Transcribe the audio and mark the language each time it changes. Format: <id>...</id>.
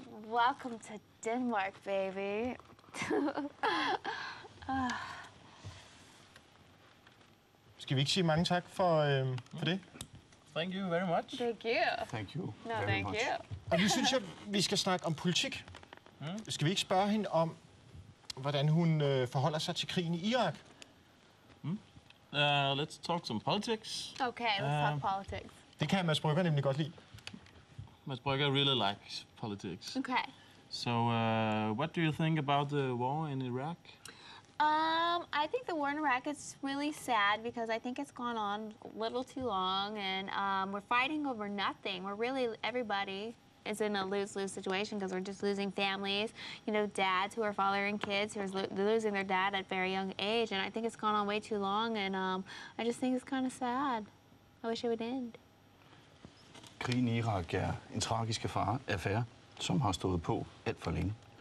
<en>Welcome to Denmark, baby.</en> <da>Skal vi ikke sige mange tak for det?</da> <en>Thank you very much. Thank you. Thank you. No, very thank much. You.</en> <da>Og nu synes jeg, vi skal snakke om politik. Skal vi ikke spørge hende om, hvordan hun forholder sig til krigen i Irak?</da> <en>Let's talk some politics. Okay, let's talk politics.</en> <da>Det kan Mads Brygger nemlig godt lide.</da> <en>Mads Brygger really likes politics. Okay. So, what do you think about the war in Iraq? I think the war in Iraq is really sad because I think it's gone on a little too long and we're fighting over nothing. We're really, everybody is in a lose-lose situation because we're just losing families, you know, dads who are fathering kids who are losing their dad at a very young age, and I think it's gone on way too long, and I just think it's kind of sad. I wish it would end.</en> <da>Krigen i Irak er en tragisk affære, som har stået på alt for længe.</da>